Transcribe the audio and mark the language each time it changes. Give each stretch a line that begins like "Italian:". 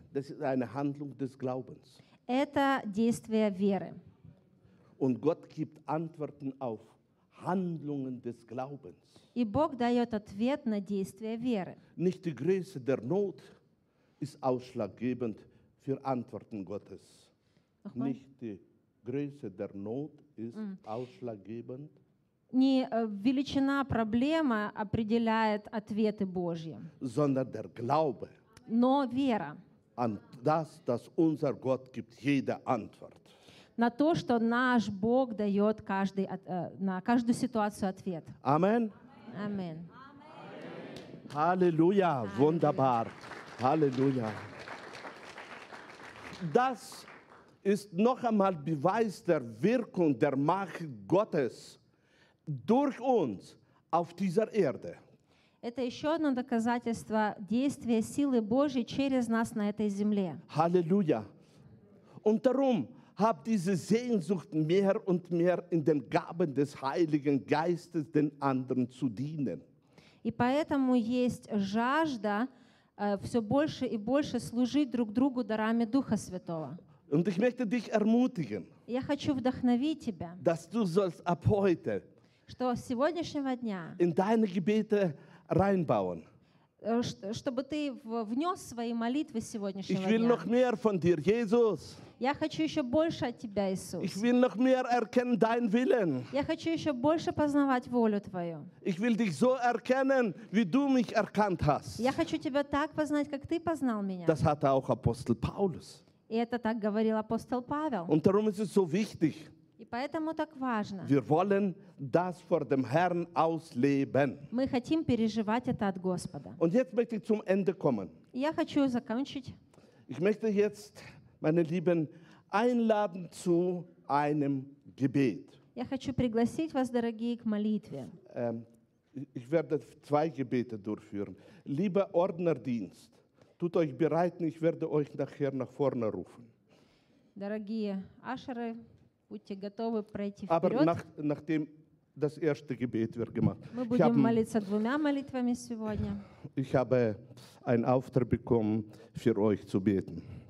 German: das ist eine Handlung des Glaubens.
Russian: Это действие веры.
German: Und Gott gibt Antworten auf Handlungen des Glaubens.
Russian: И Бог дает ответ на действие веры.
German: Nicht die Größe der Not ist ausschlaggebend für Antworten Gottes. Uh-huh. Nicht die Größe der Not ist ausschlaggebend.
Russian: Не величина проблемы определяет ответы Божьи.
German: Sondern der Glaube.
Russian: Но вера.
German: An das, dass unser Gott gibt jede Antwort.
Russian: На то, что наш Бог дает каждый, на каждую ситуацию ответ.
German: Amen. Amen. Halleluja, wunderbar. Halleluja. Das ist noch einmal Beweis der Wirkung der Macht Gottes durch uns auf dieser Erde.
Russian: Это еще одно доказательство действия силы Божьей через нас на этой земле.
German: Halleluja. Und darum habt diese Sehnsucht mehr und mehr in den Gaben des Heiligen Geistes den anderen zu dienen.
Russian: И поэтому есть жажда все больше и больше служить друг другу дарами Духа Святого.
German: Und ich möchte dich ermutigen.
Russian: Я хочу вдохновить тебя.
German: Dass du sollst ab heute.
Russian: Что с сегодняшнего дня.
German: In deine Gebete reinbauen.
Russian: Чтобы ты внес свои молитвы сегодняшнего дня.
German: Ich will noch mehr von dir, Jesus.
Russian: Я хочу еще больше от тебя, Иисус.
German: Ich will noch mehr erkennen dein Willen.
Russian: Я хочу еще больше познавать волю твою.
German: Ich will dich so erkennen, wie du mich erkannt hast.
Russian: Я хочу тебя так познать, как ты познал меня.
German: Das hatte auch Apostel Paulus.
Russian: И это так говорил апостол Павел.
German: Und darum ist es so wichtig.
Russian: И поэтому так важно.
German: Wir wollen das vor dem Herrn ausleben.
Russian: Мы хотим переживать это от Господа.
German: Und jetzt möchte ich zum Ende kommen.
Russian: Я хочу закончить.
German: Ich möchte jetzt, meine Lieben, einladen zu einem Gebet.
Russian: Я хочу пригласить вас, дорогие, к молитве.
German: Ich werde zwei Gebete durchführen. Lieber Ordnerdienst, tut euch bereit, ich werde euch nachher nach vorne rufen.
Russian: Дорогие Ашеры, будьте готовы пройти вперед.
German: Aber nachdem das erste Gebet wird gemacht.
Russian: Мы будем молиться двумя молитвами сегодня.
German: Ich habe einen Auftrag bekommen, für euch zu beten.